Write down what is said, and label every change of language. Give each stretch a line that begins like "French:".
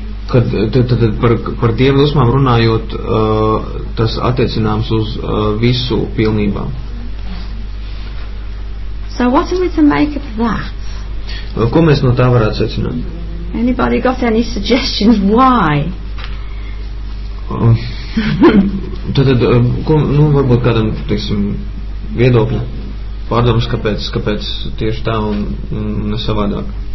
Latvian: Kad tad par Dieva dusmām runājot, tas attiecināms uz visu pilnībā.
English: So what are we to make of that?
Latvian: Ko mēs no tā varētu secināt?
English: Anybody got any suggestions why?
Latvian: Tad, ko, nu, varbūt kādam, teiksim, viedokļa pārdomas, kāpēc, kāpēc tieši tā un, un ne savādāk.